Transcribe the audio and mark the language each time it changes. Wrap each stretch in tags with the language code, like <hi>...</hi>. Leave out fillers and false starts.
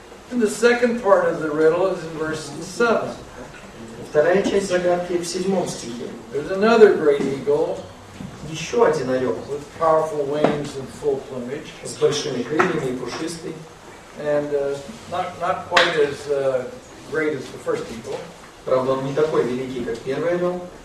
<en>And the second part of the riddle is in verse 7.</en> <ru>Вторая часть загадки в седьмом стихе.</ru> <en>There's another great eagle.</en> <ru>Еще один орел.</ru> <en>With powerful wings and full plumage.</en> <ru>С большими крыльями и пушистый.</ru> <en>And not quite as great as the first eagle.</en> <ru>Правда, он не такой великий, как первый орел.</ru>